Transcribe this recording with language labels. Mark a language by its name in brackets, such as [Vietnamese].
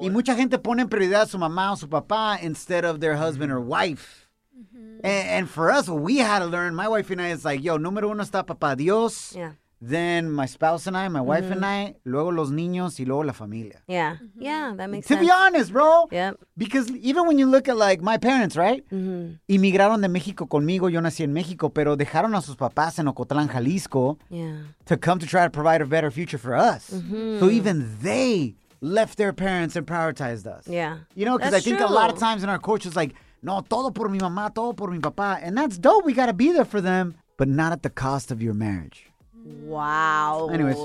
[Spanish] Y mucha gente pone en prioridad a su mamá o su papá [English] instead of their husband or wife. [Spanish] Mm-hmm. [English] And for us, what we had to learn, my wife and I, is like, yo, [Spanish] número uno está papá Dios. [English] Yeah. Then my spouse and I, my wife and I, [Spanish] luego los niños y luego la familia. [English] Yeah. Mm-hmm. Yeah, that makes sense. To be honest, bro. Yep. Because even when you look at like my parents, right? Mm-hmm. [Spanish] Inmigraron de México conmigo. Yo nací en México, pero dejaron a sus papás en Ocotlán, Jalisco. [English] Yeah. To come to try to provide a better future for us. Mm-hmm. So even they left their parents and prioritized us. Yeah. You know, because I think true. A lot of times in our culture, it's like, [Spanish] no, todo por mi mamá, todo por mi papá. [English] And that's dope. We got to be there for them, but not at the cost of your marriage. Wow. Anyways,